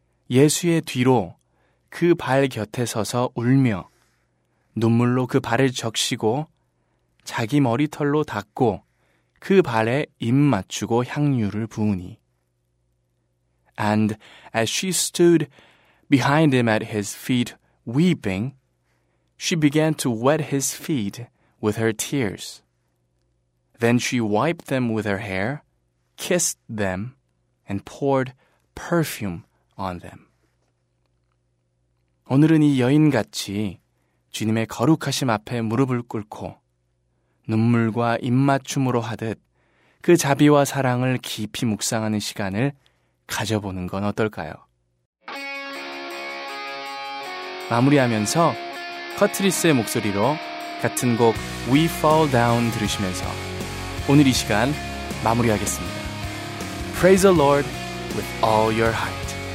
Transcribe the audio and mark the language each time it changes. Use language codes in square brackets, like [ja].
[ko] 예수의 뒤로 그 발 곁에 서서 울며 눈물로 그 발을 적시고 자기 머리털로 닦고 그 발에 입 맞추고 향유를 부으니 [en] And as she stood behind him at his feet weeping, she began to wet his feet with her tears. Then she wiped them with her hair, kissed them, and poured perfume on them. [ko] 오늘은 이 여인같이 주님의 거룩하심 앞에 무릎을 꿇고 눈물과 입맞춤으로 하듯 그 자비와 사랑을 깊이 묵상하는 시간을 가져보는 건 어떨까요? 마무리하면서 커트리스의 목소리로 같은 곡 We Fall Down 들으시면서 오늘 이 시간 마무리하겠습니다. [en] Praise the Lord with all your heart.